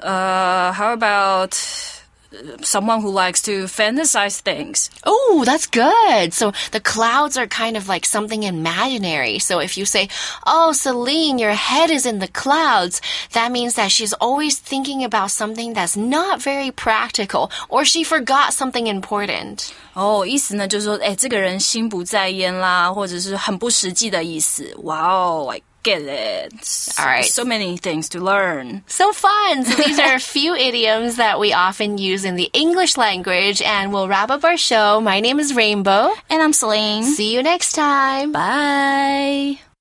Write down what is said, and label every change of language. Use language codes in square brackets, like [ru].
[en] How about someone who likes to fantasize things? Oh, that's good. So the clouds are kind of like something imaginary. So if you say, oh, Celine, your head is in the clouds, that means that she's always thinking about something that's not very practical, or she forgot something important. [zh] 哦，意思呢就是说，哎，这个人心不在焉啦，或者是很不实际的意思。 [en] Wow, I get it. All right, so many things to learn. So fun. So these are a few idioms that we often use in the English language, and we'll wrap up our show. My name is Rainbow, and I'm Celine. See you next time. Bye.